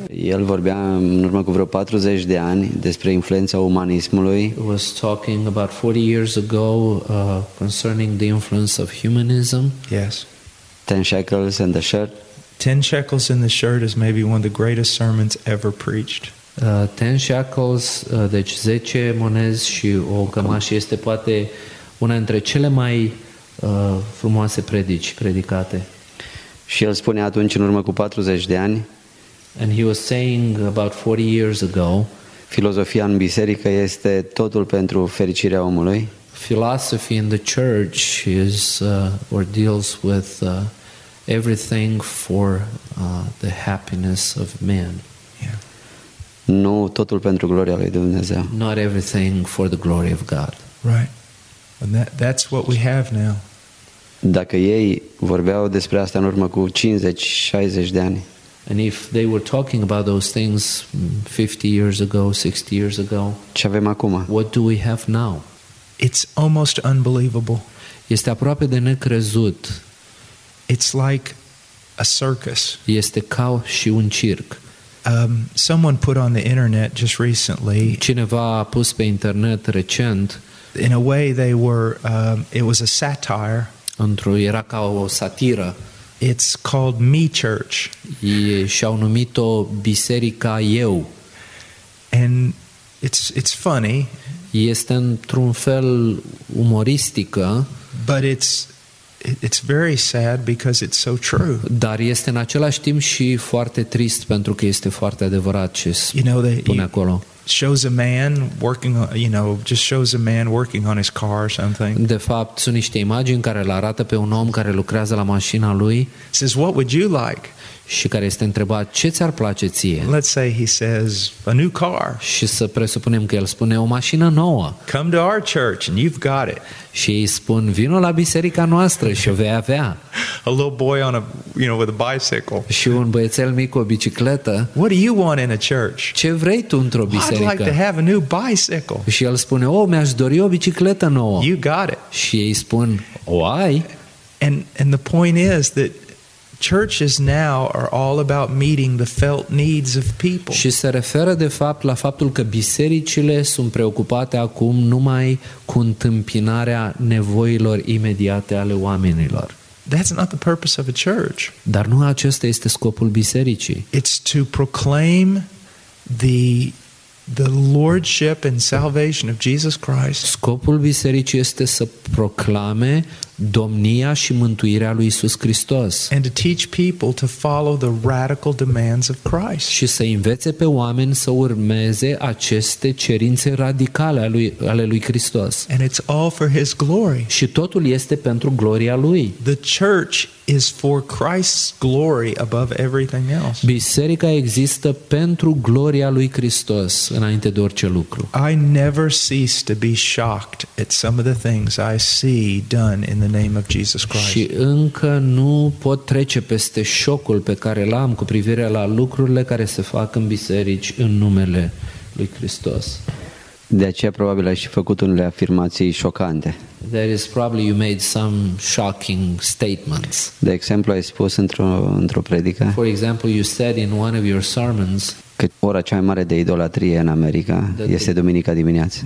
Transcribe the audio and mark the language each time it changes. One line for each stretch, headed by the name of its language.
Romanian: El vorbea în urmă cu vreo 40 de ani despre influența umanismului.
English: He was talking about 40 years ago concerning the influence of humanism. Yes. Ten Shekels and the Shirt. Ten Shekels and the Shirt is maybe one of the greatest sermons ever preached.
Romanian: Ten Shekels, deci 10 monezi și o cămașă este poate una dintre cele mai frumoase predici predicate. Și el spune atunci, în urmă cu 40 de ani,
English: and he was saying about 40 years ago,
Romanian: filozofia în biserică este totul pentru fericirea omului.
English: philosophy in the church is or deals with everything for the happiness of men. Yeah.
Romanian: Nu totul pentru gloria lui Dumnezeu.
English: Not everything for the glory of God. Right. And that's what we have now.
Romanian: Dacă ei vorbeau despre asta în urmă cu 50-60 de ani.
English: And if they were talking about those things 50 years ago, 60 years ago.
Romanian: Ce avem acum?
English: What do we have now? It's almost unbelievable.
Romanian: Este aproape de necrezut.
English: It's like a circus.
Romanian: Este ca și un circ.
English: Someone put on the internet just recently.
Romanian: Cineva a pus pe internet recent.
English: In a way they were it was a satire.
Romanian: Într-o, era ca o satiră.
English: It's called Me Church.
Romanian: Și-au numit-o Biserica Eu.
English: And it's funny.
Romanian: Este într-un fel umoristică.
English: But it's very sad because it's so true.
Romanian: Dar este în același timp și foarte trist pentru că este foarte adevărat ce spune,
English: you know,
Romanian: acolo.
English: Shows a man working on, you know, just shows a man working on his car or something.
Romanian: De fapt, sunt niște imagini care îl arată pe un om care lucrează la mașina lui.
English: Says, what would you like?
Romanian: Și care este întrebat, ce ți-ar place ție?
English: Let's say he says, a new car.
Romanian: Și să presupunem că el spune, o mașină nouă.
English: Come to our church and you've got it.
Romanian: Și îi spun, vino la biserica noastră și o vei avea.
English: A little boy on a, you know, with a bicycle.
Romanian: Și un băiețel mic cu o bicicletă.
English: What do you want in a church?
Romanian: Ce vrei tu într-o biserică?
English: I'd like to have a new bicycle.
Romanian: Și el spune, oh, mi-aș dori o bicicletă nouă.
English: You got it.
Romanian: Și ei spun, o ai?
English: And the point is that churches now are all about meeting the felt needs of people.
Romanian: Și se referă de fapt la faptul că bisericile sunt preocupate acum numai cu întâmpinarea nevoilor imediate ale oamenilor.
English: That's not the purpose of a church.
Romanian: Dar nu acesta este scopul bisericii.
English: It's to proclaim the lordship and salvation of Jesus Christ.
Romanian: Scopul bisericii este să proclame domnia și mântuirea lui Iisus Hristos.
English: And to teach people to follow the radical demands of Christ.
Romanian: Și să învețe pe oameni să urmeze aceste cerințe radicale ale lui Hristos.
English: And it's all for his glory.
Romanian: Și totul este pentru gloria lui.
English: The church is for Christ's glory above everything else.
Romanian: Biserica există pentru gloria lui Hristos înainte de orice lucru.
English: I never cease to be shocked at some of the things I see done in the name of Jesus Christ.
Romanian: Și încă nu pot trece peste șocul pe care l-am cu privire la lucrurile care se fac în biserici în numele lui Hristos. De aceea probabil ai și făcut unele afirmații șocante.
English: There is probably you made some shocking statements.
Romanian: De exemplu, ai spus într-o predică.
English: For example, you said in one of your sermons.
Romanian: Că ora cea mai mare de idolatrie în America este duminica dimineață.